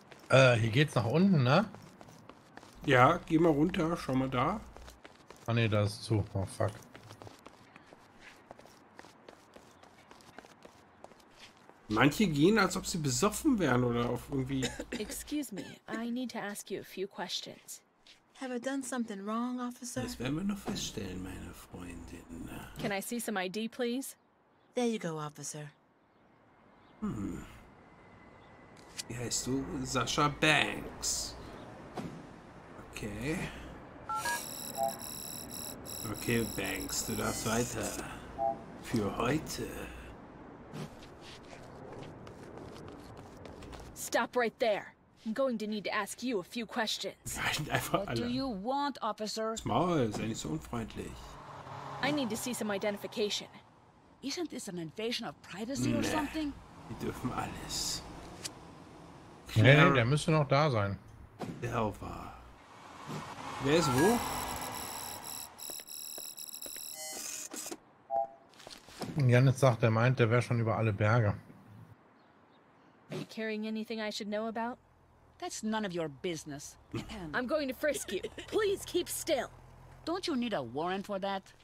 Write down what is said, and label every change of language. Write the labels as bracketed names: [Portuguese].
[German] Hier geht's nach unten, ne? Ja, geh mal runter, schau mal da. Ah ne, da ist zu. Oh fuck. Manche gehen, als ob sie besoffen wären oder auf irgendwie. [English] Excuse me, I need to ask you a few questions. Have I done something wrong, officer? [German] Das werden wir noch feststellen, meine Freundin. [English] Can I see some ID, please? There you go, officer. [German] Wie heißt du? Sasha Banks. Okay. Okay, Banks, du darfst weiter. Für heute. [English] Stop right there. I'm going to need to ask you a few questions. [German] Einfach alle. [English] What do you want, officer? [German] Small, sei nicht so unfreundlich. [English] I need to see some identification. Isn't this an invasion of privacy or something? [German] Wir dürfen alles. Nee, nee, der müsste noch da sein. Delver. Wer ist wo? Janis sagt, er meint, der wäre schon über alle Berge. [English] Are you carrying anything I should know about? That's none of your business. I'm going to frisk you. Please keep still. Don't you need a warrant for that?